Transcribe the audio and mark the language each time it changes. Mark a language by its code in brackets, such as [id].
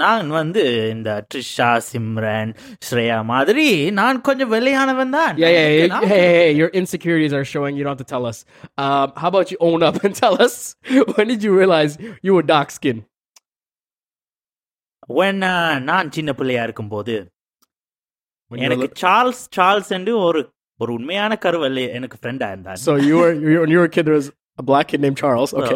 [ta] நான் வந்து இந்த த்ரிஷா, சிம்ரன், ஸ்ரேயா மாதிரி நான் கொஞ்சம் வெள்ளையானவன் தான். [en] Your insecurities are showing. You don't have to tell us. How about you own up and tell us, when did you realize you were dark skin? When [ta] நான் சின்ன பிள்ளையா இருக்கும்போது எனக்கு சார்ல்ஸ் ஒரு உண்மையான கருவல் எனக்கு ஃப்ரெண்டா இருந்தார். [en] So you were a kid, there was a black kid named Charles.